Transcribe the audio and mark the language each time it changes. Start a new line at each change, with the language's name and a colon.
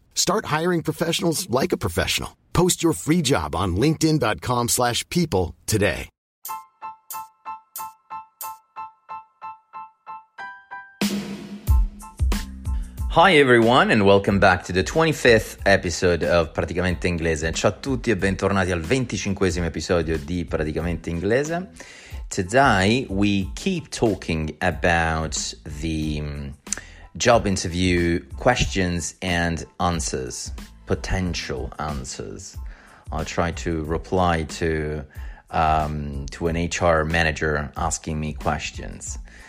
English: Start hiring professionals like a professional. Post your free job on linkedin.com/people today. Hi everyone and welcome back to the 25th episode of Praticamente Inglese.
Italian: Ciao a tutti e bentornati al 25esimo episodio di Praticamente Inglese.
English: Today we keep talking about the job interview questions and answers, potential answers. I'll try to reply to an HR manager asking me questions.